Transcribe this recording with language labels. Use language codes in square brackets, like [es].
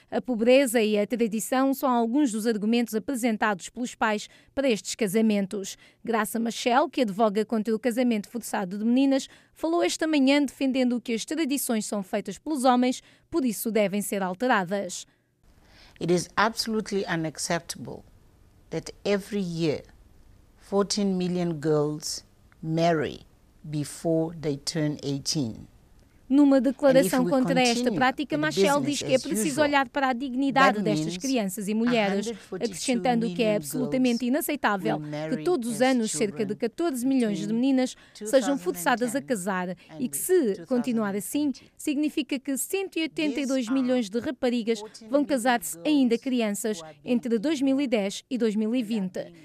[pt] A pobreza e a tradição são alguns dos argumentos apresentados pelos pais para estes casamentos. Graça Machel, que advoga contra o casamento forçado de meninas, falou esta manhã defendendo que as tradições são feitas pelos homens, por isso devem ser alteradas. [en] It is absolutely unacceptable that every year 14 million girls marry before they turn 18. [pt] Numa declaração contra esta prática, Machel diz que é preciso olhar para a dignidade destas crianças e mulheres, acrescentando que é absolutamente inaceitável que todos os anos cerca de 14 milhões de meninas sejam forçadas a casar e que, se continuar assim, significa que 182 milhões de raparigas vão casar-se ainda crianças entre 2010 e 2020.